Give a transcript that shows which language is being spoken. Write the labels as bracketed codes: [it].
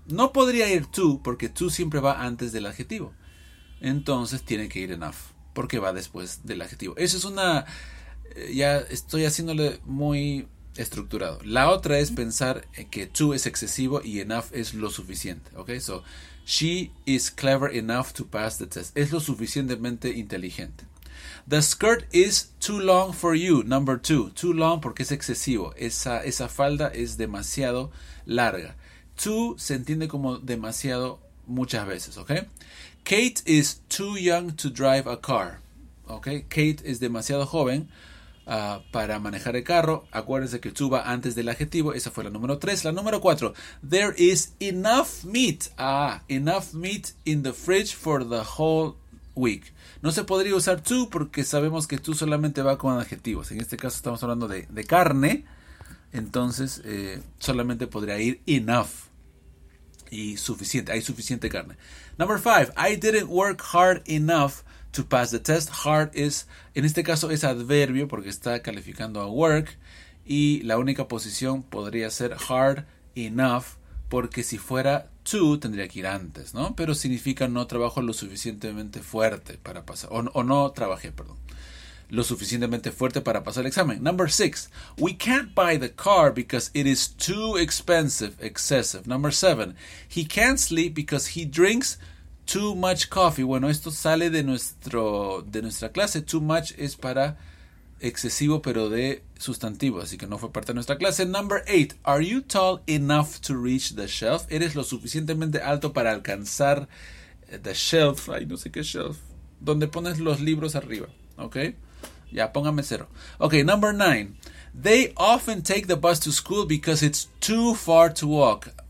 [es] No podría ir to porque to siempre va antes del adjetivo. Entonces tiene que ir enough porque va después del adjetivo. Eso es una... Ya estoy haciéndole muy estructurado. La otra es pensar que to es excesivo y enough es lo suficiente. [en] Ok, so she is clever enough to pass the test. [es] Es lo suficientemente inteligente. [en] The skirt is too long for you, number two. Too long [es] porque es excesivo. Esa falda es demasiado larga. Too se entiende como demasiado muchas veces, ¿ok? [en] Kate is too young to drive a car. ¿Ok? [es] Kate es demasiado joven para manejar el carro. Acuérdense que too va antes del adjetivo. Esa fue la número 3. La número 4. [en] There is enough meat. Enough meat in the fridge for the whole week. [es] No se podría usar to porque sabemos que to solamente va con adjetivos. En este caso estamos hablando de carne. Entonces solamente podría ir enough. Y suficiente. Hay suficiente carne. [en] Number 5. I didn't work hard enough to pass the test. Hard is, [es] en este caso es adverbio porque está calificando a work. Y la única posición podría ser hard enough porque si fuera to tendría que ir antes, ¿no? Pero significa no trabajo lo suficientemente fuerte para pasar. No trabajé. Lo suficientemente fuerte para pasar el examen. [en] Number 6. We can't buy the car because it is too expensive. Excessive. Number 7. He can't sleep because he drinks too much coffee. [es] Bueno, esto sale de nuestra clase. Too much es para excesivo, pero de sustantivo, así que no fue parte de nuestra clase. [en] Number 8. Are you tall enough to reach the shelf? [es] ¿Eres lo suficientemente alto para alcanzar [en] the shelf? [es] Ay, no sé qué shelf. Donde pones los libros arriba, ¿ok? Ya, póngame cero. [en] Ok, number 9. They often take the bus to school because it's too far to walk.